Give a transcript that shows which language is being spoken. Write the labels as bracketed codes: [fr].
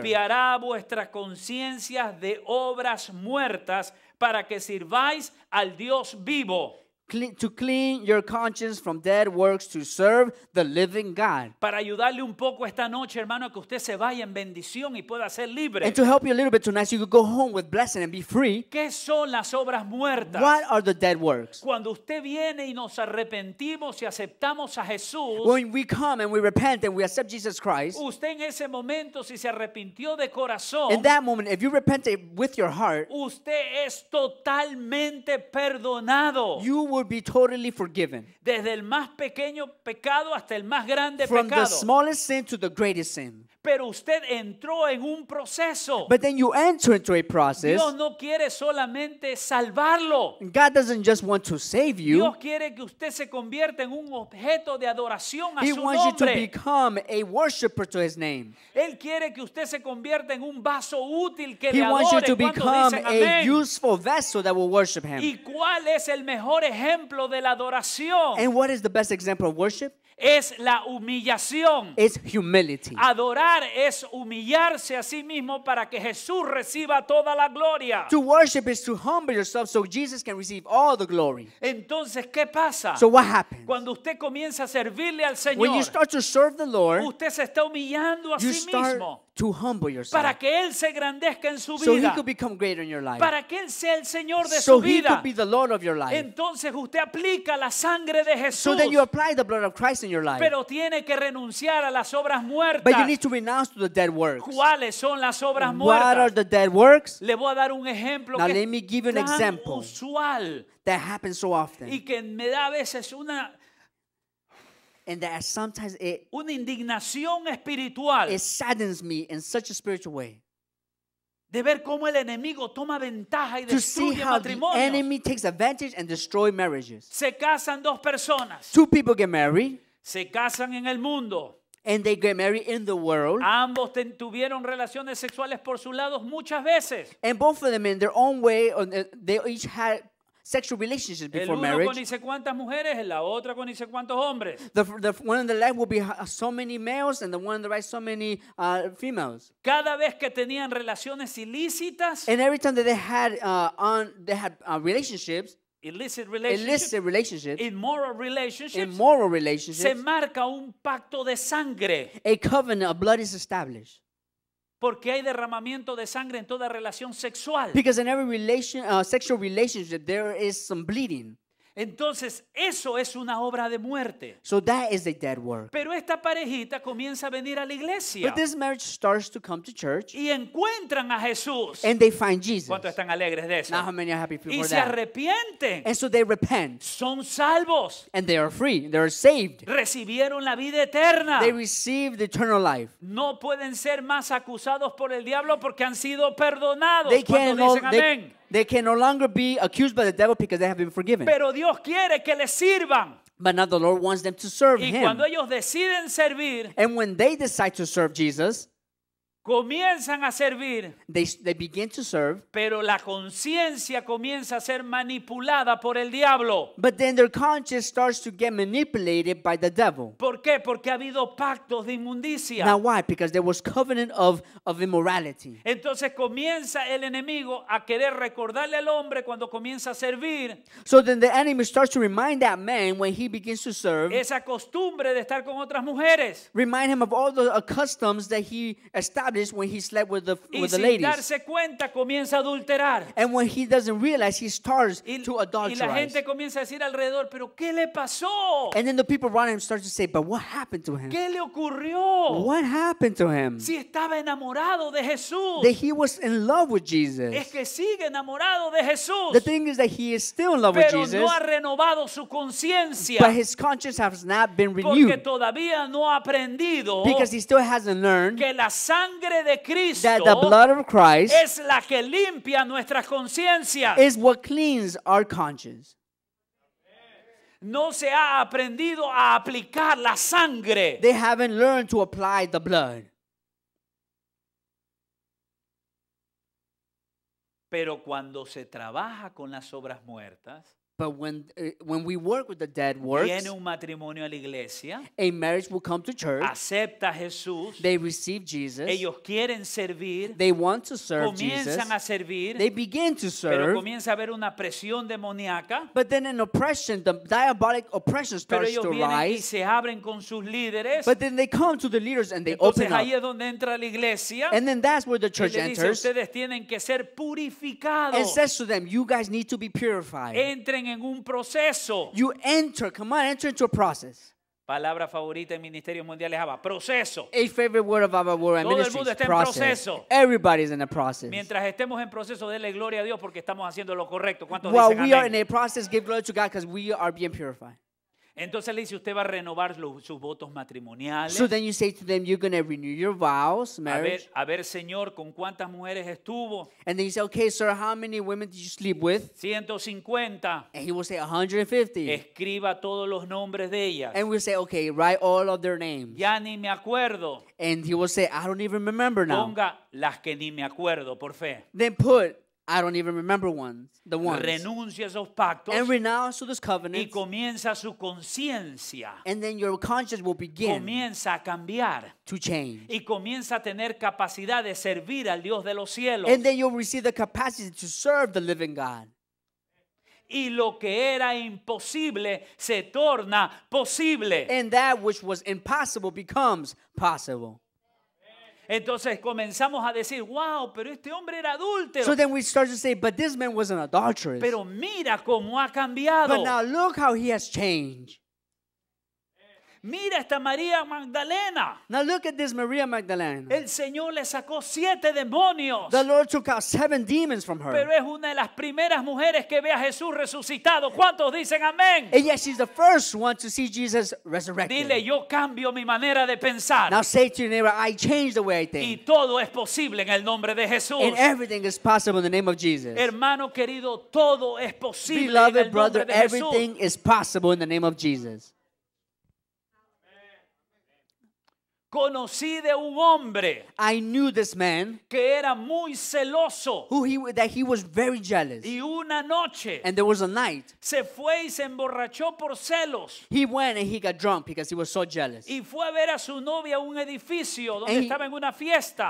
[es] Limpiará vuestras conciencias de obras muertas para que sirváis al Dios vivo. [en] To clean your conscience from dead works to serve the living God. [es] Para ayudarle un poco esta noche, hermano, que usted se vaya en bendición y pueda ser libre. [en] And to help you a little bit tonight so you could go home with blessing and be free. [es] ¿Qué son las obras muertas? [en] What are the dead works? [es] Cuando usted viene y nos arrepentimos y aceptamos a Jesús. [en] When we come and we repent and we accept Jesus Christ. [es] Usted en ese momento, si se arrepintió de corazón. [en] In that moment, if you repented with your heart. [es] Usted es totalmente perdonado. [en] You would be totally forgiven. [es] Desde el más pequeño pecado hasta el más grande [en] from [es] pecado. [en] The smallest sin to the greatest sin. [es] Pero usted entró en un proceso. [en] But then you enter into a process. [es] Dios no quiere solamente salvarlo. [en] God doesn't just want to save you. [es] Dios quiere que usted se convierta en un objeto de adoración a [en] He [es] su nombre. [en] He wants you to become a worshipper to his name. [es] Él quiere que usted se convierta en un vaso útil que [en] He [es] le adore. [en] He wants you to become a [es] amén. [en] Useful vessel that will worship him. [es] ¿Y cuál es el mejor ejemplo de la adoración? [en] And what is the best example of worship? [es] Es la humillación. [en] It's humility. [es] Adorar es humillarse a sí mismo para que Jesús reciba toda la gloria. [en] To worship is to humble yourself so Jesus can receive all the glory. [es] Entonces, ¿qué pasa? [en] So what happens? [es] Cuando usted comienza a servirle al Señor, [en] when you start to serve the Lord, [es] usted se está humillando a sí mismo. [en] To humble yourself. [es] Para que él se engrandezca en su [en] so [es] vida. [en] He could become greater in your life. [es] Para que él sea el Señor de [en] so [es] su vida. [en] So he could be the Lord of your life. [es] Entonces usted aplica la sangre de Jesús. [en] So then you apply the blood of Christ in your life. [es] Pero tiene que renunciar a las obras muertas. [en] But you need to renounce to the dead works. [es] ¿Cuáles son las obras muertas? [en] What are the dead works? [es] Le voy a dar un ejemplo. [en] Now [es] que [en] let me give you an example. Usual. That happens so often. [es] Y que me da a veces una [en] And that sometimes it, [es] una indignación espiritual. [en] It saddens me in such a spiritual way. [es] De ver cómo el enemigo toma ventaja y [en] to see how the enemy takes advantage and destroys marriages. [es] Se casan dos personas. [en] Two people get married. [es] Se casan en el mundo. [en] And they get married in the world. [es] Ambos tuvieron relaciones sexuales por sus lados muchas veces. [en] And both of them in their own way, they each had sexual relationships before [es] el uno [en] marriage. [es] Con ni sé cuántas mujeres, la otra con ni sé cuántos hombres. [en] The one on the left will be so many males, and the one on the right so many females. [es] Cada vez que tenían relaciones ilícitas. [en] And every time that they had relationships. Illicit relationships. Illicit relationships. Immoral relationships. Immoral relationships. [es] Se marca un pacto de sangre. [en] A covenant of blood is established. [es] Porque hay derramamiento de sangre en toda relación sexual. [en] Because in every relation, sexual relationship, there is some bleeding. [es] Entonces, eso es una obra de muerte. [en] So that is a dead work. [es] Pero esta parejita comienza a venir a la iglesia. [en] But this marriage starts to come to church. [es] Y encuentran a Jesús. [en] And they find Jesus. [es] ¿Cuántos están alegres de eso? [en] Not how many are happy people [es] y [en] for [es] se [en] that. [es] Arrepienten. [en] And so they repent. [es] Son salvos. [en] And they are free. They are saved. [es] Recibieron la vida eterna. [en] They received eternal life. [es] No pueden ser más acusados por el diablo porque han sido perdonados. [en] They [es] cuando dicen amén. [en] They can no longer be accused by the devil because they have been forgiven. [es] Pero Dios quiere que les sirvan. [en] But now the Lord wants them to serve [es] y [en] him. [es] Cuando ellos deciden servir, [en] and when they decide to serve Jesus, [es] comienzan a servir, [en] they begin to serve. [es] Pero la conciencia comienza a ser manipulada por el diablo. [en] But then their conscience starts to get manipulated by the devil. [es] ¿Por qué? Porque ha habido pactos de inmundicia. [en] Now why? Because there was covenant of immorality. [es] Entonces comienza el enemigo a querer recordarle al hombre cuando comienza a servir. [en] So then the enemy starts to remind that man when he begins to serve. [es] Esa costumbre de estar con otras mujeres. [en] Remind him of all the customs that he established. When he slept with the ladies. [es] Darse cuenta, comienza a adulterar. [en] And when he doesn't realize, he starts to adulterize. [es] Y la gente comienza a decir alrededor, ¿pero qué le pasó? [en] And then the people around him start to say, but what happened to him? [es] ¿Qué le ocurrió? [en] What happened to him? [es] Si estaba enamorado de Jesús. [en] That he was in love with Jesus. [es] Es que sigue enamorado de Jesús. [en] The thing is that he is still in love [es] pero [en] with Jesus. [es] No ha renovado su conciencia. [en] But his conscience has not been renewed. [es] Porque todavía no ha aprendido. [en] Because he still hasn't learned. [es] Que la sangre de Cristo [en] that the blood of Christ [es] es la que limpia nuestras conciencias. [en] Is what cleans our conscience. [es] No se ha aprendido a aplicar la sangre. [en] They haven't learned to apply the blood. [es] Pero cuando se trabaja con las obras muertas, [en] But when we work with the dead works, [es] viene un matrimonio a la iglesia, [en] a marriage will come to church, [es] acepta a Jesús, [en] they receive Jesus, [es] ellos quieren servir, [en] they want to serve [es] comienzan [en] Jesus, [es] a servir, [en] they begin to serve, [es] pero comienza a haber una presión demoníaca, [en] but then an oppression, the diabolic oppression starts [es] pero ellos [en] to rise, [es] y se abren con sus líderes, [en] but then they come to the leaders and they [es] entonces, [en] open [es] ahí [en] up. [es] Es donde entra la iglesia, [en] and then that's where the church [es] y le dice, [en] enters. [es] Ustedes tienen que ser purificados. [en] And says to them, you guys need to be purified. [es] Entren en un proceso. [en] You enter, come on, enter into a process. [es] Palabra favorita en Ministerio Mundial es Abba, proceso. [en] A favorite word of Abba World Ministry is process. [es] En [en] everybody's in a process. [es] Mientras estemos en proceso, dele gloria a Dios porque estamos haciendo lo correcto. ¿Cuántos dicen amén? [en] While we are in a process, give glory to God because we are being purified. [es] Entonces le dice, usted va a renovar sus votos matrimoniales. [en] So then you say to them, you're going to renew your vows, marriage. [es] A ver, señor, ¿con cuántas mujeres estuvo? [en] And then you say, okay, sir, how many women did you sleep with? [es] 150. [en] And he will say, 150. [es] Escriba todos los nombres de ellas. [en] And we'll say, okay, write all of their names. [es] Ya ni me acuerdo. [en] And he will say, I don't even remember now. [es] Ponga las que ni me acuerdo, por fe. [en] Then put, I don't even remember the ones. [es] Renuncia a esos pactos. [en] And renounce to those covenants. [es] Y comienza su conciencia. [en] And then your conscience will begin. [es] Comienza a cambiar. [en] To change. [es] Y comienza a tener capacidad de servir al Dios de los cielos. [en] And then you'll receive the capacity to serve the living God. [es] Y lo que era imposible se torna posible. [en] And that which was impossible becomes possible. [es] Entonces comenzamos a decir, wow, pero este hombre era adúltero. [en] So then we start to say, but this man was an adulteress. [es] Pero mira cómo ha cambiado. [en] But now look how he has changed. [es] Mira esta María Magdalena. [en] Now look at this Maria Magdalena. [es] El Señor le sacó 7 demonios. [en] The Lord took out 7 demons from her. [es] Pero es una de las primeras mujeres que ve a Jesús resucitado. ¿Cuántos dicen amén? [en] And yet she's the first one to see Jesus resurrected. [es] Dile, yo cambio mi manera de pensar. [en] Now say to your neighbor, I change the way I think. [es] Y todo es posible en el nombre de Jesús. [en] And everything is possible in the name of Jesus. [es] Hermano querido, todo es posible [en] beloved [es] en el nombre [en] brother, [es] de Jesús. [en] Everything is possible in the name of Jesus. [es] Conocí de un hombre [en] I knew this man [es] que era muy celoso [en] that he was very jealous [es] y una noche [en] and there was a night [es] se fue y se emborrachó por celos [en] he went and he got drunk because he was so jealous [es] y fue a ver a su novia a un edificio donde estaba en una fiesta